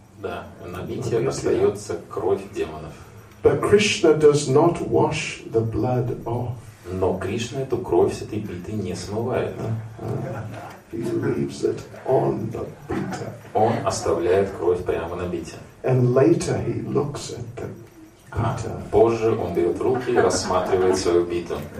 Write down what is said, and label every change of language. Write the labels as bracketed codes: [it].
[ru] Да, на Бите остается кровь демонов. [en] But Krishna does not wash the blood off. [ru] Но Кришна эту кровь с этой биты не смывает. [en] He leaves it on the bita. [ru] Он оставляет кровь прямо на бите. [en] And later he looks at the bita. [ru] Позже он берет руки и рассматривает свою биту.